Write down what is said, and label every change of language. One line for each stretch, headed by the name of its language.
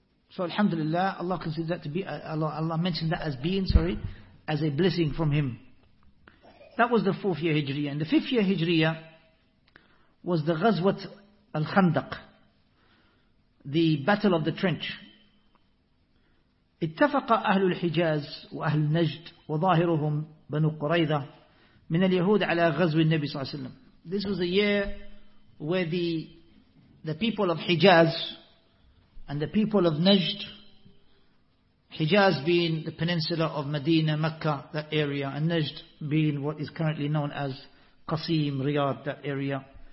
English: So alhamdulillah, Allah considered that to be, Allah mentioned that as being, as a blessing from Him. That was the fourth year Hijriyah. And the fifth year Hijriyah was the Ghazwat al-Khandaq, the battle of the trench.
Arabic: اتفق أهل الحجاز وأهل نجد وظاهرهم بنو قريظة من اليهود على غزو النبي صلى الله عليه وسلم.
English: This was a year where the people of Hijaz and the people of Najd, Hijaz being the peninsula of Medina, Mecca, that area, and Najd being what is currently known as Qasim, Riyadh, that area.